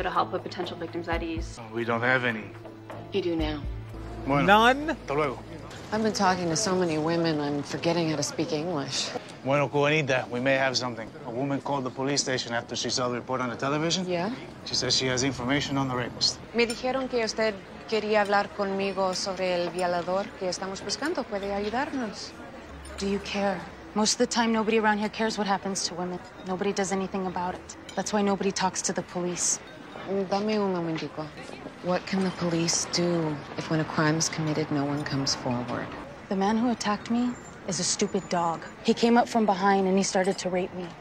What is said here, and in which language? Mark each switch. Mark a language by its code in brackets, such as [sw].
[en] It'll help put potential victims at ease. We don't have any. You do now. Bueno. None? [es] Hasta luego. [en] I've been talking to so many women, I'm forgetting how to speak English. Bueno, Juanita, we may have something. A woman called the police station after she saw the report on the television. Yeah? She says she has information on the rapist. [es] Me dijeron que usted quería hablar conmigo sobre el violador que estamos buscando. ¿Puede ayudarnos? [en] Do you care? Most of the time, nobody around here cares what happens to women. Nobody does anything about it. That's why nobody talks to the police. [es] Dame un momentico. [en] What can the police do if when a crime's committed, no one comes forward? The man who attacked me is a stupid dog. He came up from behind and he started to rape me.